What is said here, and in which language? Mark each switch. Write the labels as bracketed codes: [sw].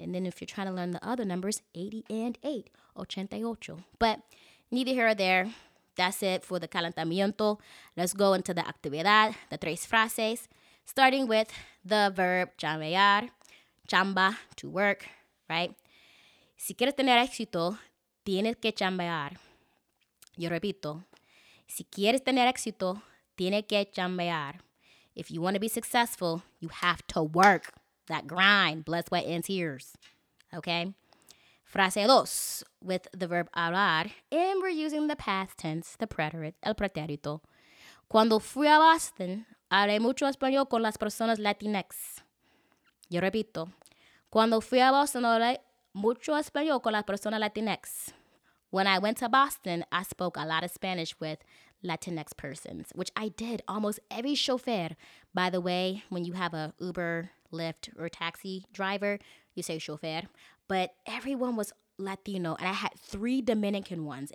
[en] And then if you're trying to learn the other numbers, 80 and 8, 88. But neither here or there. That's it for the calentamiento. Let's go into the actividad, the tres frases, starting with the verb chambear, chamba, to work, right? [es] Si quieres tener éxito, tienes que chambear. Yo repito, si quieres tener éxito, tienes que chambear. [en] If you want to be successful, you have to work. That grind, blood, sweat, and tears, okay? Frase dos, with the verb hablar, and we're using the past tense, the preterite, el pretérito. [es] Cuando fui a Boston, hablé mucho español con las personas latinx. Yo repito, cuando fui a Boston, hablé mucho español con las personas latinx. [en] When I went to Boston, I spoke a lot of Spanish with Latinx persons, which I did almost every chauffeur. By the way, when you have a Uber, Lyft, or taxi driver, you say chauffeur. But everyone was Latino, and I had three Dominican ones.